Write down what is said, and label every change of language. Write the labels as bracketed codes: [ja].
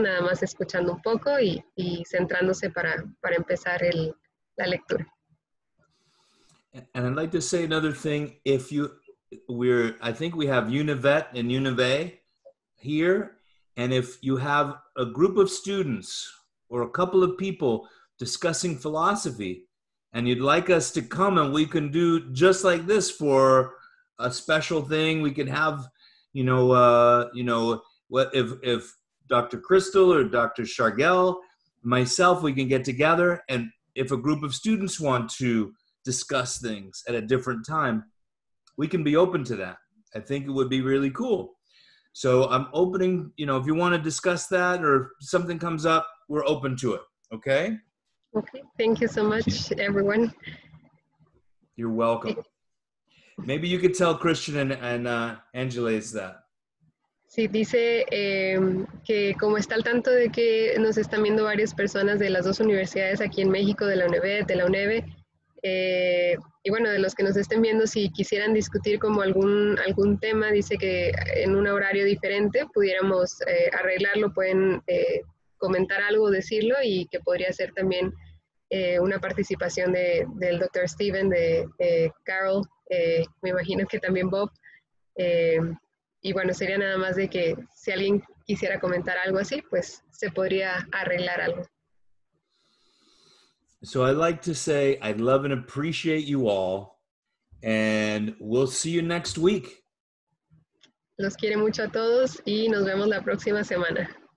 [es] Nada más escuchando un poco y centrándose para empezar la lectura. [en] And I'd like to say another thing, I think we have Univet and Unive here, and if you have a group of students or a couple of people discussing philosophy and you'd like us to come and we can do just like this for a special thing, we can have what if Dr. Crystal or Dr. Chargel, myself, we can get together, and if a group of students want to discuss things at a different time, we can be open to that. I think it would be really cool. So I'm opening, you know, if you want to discuss that or if something comes up, we're open to it, okay? Okay, thank you so much, everyone. You're welcome. Maybe you could tell Christian and Angeles that. [es] Sí, dice que como está al tanto de que nos están viendo varias personas de las dos universidades aquí en México, de la UNB, de la UNEVE, y bueno, de los que nos estén viendo, si quisieran discutir como algún tema, dice que en un horario diferente pudiéramos arreglarlo, pueden comentar algo, decirlo, y que podría ser también una participación del Dr. Steven, de Carol, me imagino que también Bob. Y bueno, sería nada más de que si alguien quisiera comentar algo así, pues se podría arreglar algo. [en] So I'd like to say I love and appreciate you all, and we'll see you next week. [es] Los quiere mucho a todos y nos vemos la próxima semana.